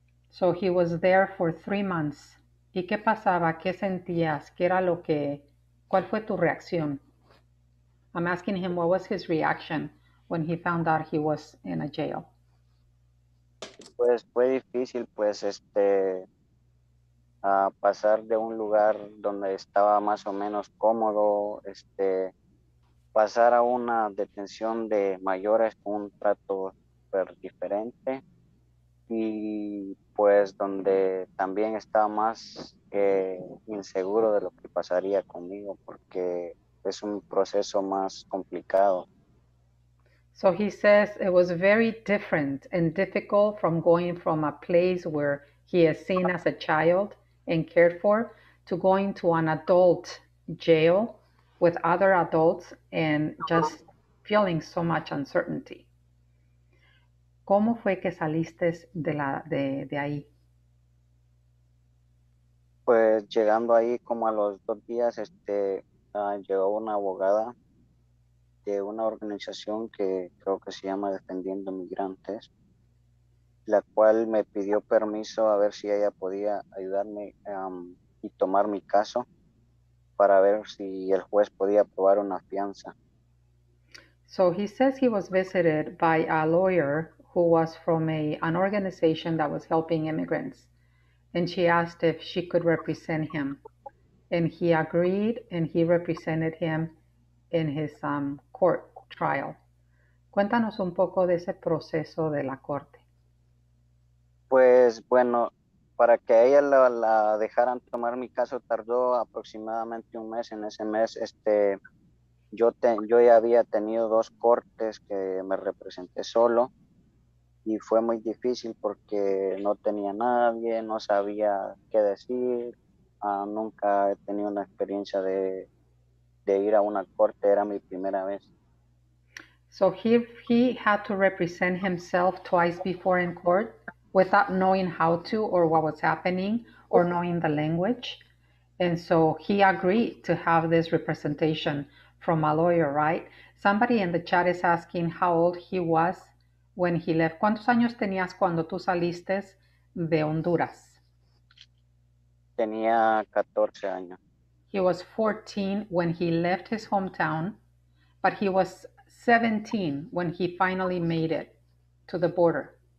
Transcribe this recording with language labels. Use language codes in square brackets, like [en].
[en] So he was there for 3 months. [es] ¿Y qué pasaba? ¿Qué sentías? ¿Qué era lo que? ¿Cuál fue tu reacción? [en] I'm asking him what was his reaction when he found out he was in a jail. [es] Pues fue difícil, pues a pasar de un lugar donde estaba más o menos cómodo, pasar a una detención de mayores con un trato súper diferente y pues donde también estaba más inseguro de lo que pasaría conmigo, porque es un proceso más complicado. [en] So he says it was very different and difficult from going from a place where he is seen as a child and cared for to going to an adult jail with other adults and just feeling so much uncertainty. [es] ¿Cómo fue que saliste de ahí? Pues llegando ahí como a los 2 días, llegó una abogada de una organización que creo que se llama Defendiendo Migrantes, la cual me pidió permiso a ver si ella podía ayudarme, y tomar mi caso para ver si el juez podía aprobar una fianza. [en] So he says he was visited by a lawyer who was from an organization that was helping immigrants. And she asked if she could represent him. And he agreed and he represented him in his court trial. [es] Cuéntanos un poco de ese proceso de la corte. Pues bueno, para que ella la dejaran tomar mi caso tardó aproximadamente 1 mes. En ese mes, yo ya había tenido dos cortes que me representé solo y fue muy difícil porque no tenía nadie, no sabía qué decir, nunca he tenido una experiencia de ir a una corte, era mi primera vez. [en] So he had to represent himself twice before in court without knowing how to or what was happening or knowing the language. And so he agreed to have this representation from a lawyer, right? Somebody in the chat is asking how old he was when he left. [es] ¿Cuántos años tenías cuando tú saliste de Honduras? Tenía 14 años. [en] He was 14 when he left his hometown, but he was 17 when he finally made it to the border.